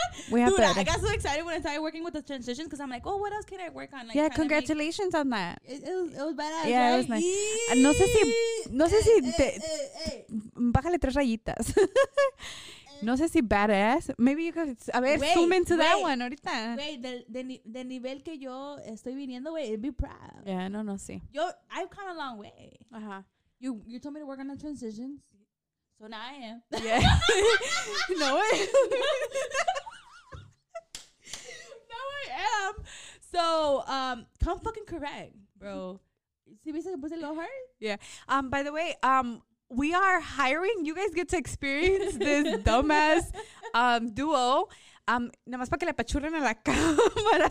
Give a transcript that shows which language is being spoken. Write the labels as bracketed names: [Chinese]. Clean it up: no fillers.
[English] We have Dude, to edit. I got so excited when I started working with the transitions because I'm like, oh, what else can I work on? Like, yeah, congratulations on that. It was badass, yeah, right? It was nice. [Spanish] Bájale tres rayitas. No sé si badass. [English] Maybe you could... [Spanish] A ver, [English] wait, zoom into that one ahorita. [Spanish] Wait, del nivel que yo estoy viniendo, wey, [English] be proud. [Spanish] Yeah, no, sí. [English] Yo, I've come a long way. Uh-huh. You told me to work on the transitions. So now I am. Yeah. No, way. Now I am. So, come fucking correct, bro. [Spanish] ¿Sí viste que puse el ojo? [English] Yeah. By the way, we are hiring. You guys get to experience this dumbass duo. [Spanish] Nada más para que le apachurren a la cámara.